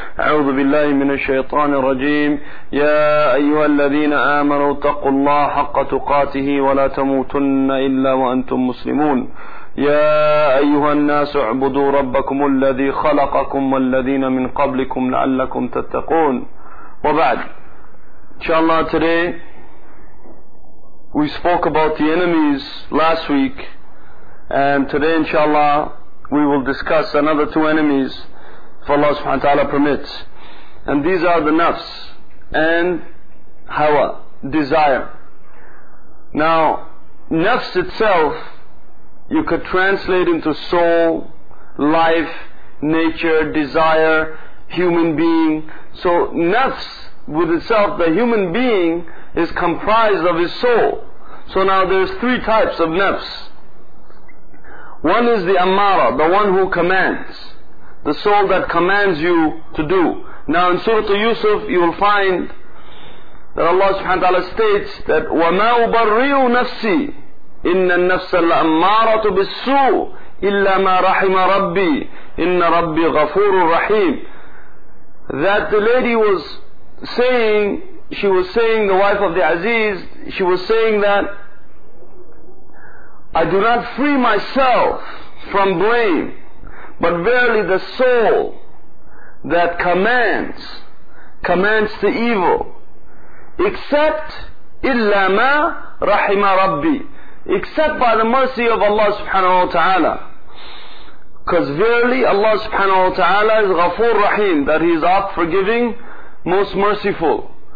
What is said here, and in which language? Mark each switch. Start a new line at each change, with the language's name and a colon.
Arabic: أعوذ بالله من الشيطان الرجيم. يا أيها الذين آمنوا اتقوا الله حق تقاته ولا تموتن إلا وأنتم مسلمون. يا أيها الناس اعبدوا ربكم الذي خلقكم والذين من قبلكم لعلكم تتقون. وبعد, إن شاء الله
English: today we spoke about the enemies last week, and today inshallah we will discuss another two enemies if Allah subhanahu wa ta'ala permits. And these are the nafs and hawa, desire. Now nafs itself you could translate into soul, life, nature, desire, human being. So nafs with itself, the human being is comprised of his soul. So now there's three types of nafs. One is the amara, the one who commands, the soul that commands you to do. Now in Surah Yusuf you will find that Allah subhanahu wa ta'ala states that
Arabic: وَمَا أُبَرِّئُ نَفْسِي إِنَّ النَّفْسَ الْأَمَّارَةُ بِالسُّوءِ إِلَّا مَا رَحِمَ رَبِّي إِنَّ رَبِّي غَفُورٌ رَحِيمٌ.
English: That the lady was saying, she was saying, the wife of the Aziz, she was saying that I do not free myself from blame, but verily the soul that commands to evil, except illa ma rahima rabbi, except by the mercy of Allah subhanahu wa ta'ala, because verily Allah subhanahu wa ta'ala is ghafoor rahim, that he is oft forgiving, most merciful.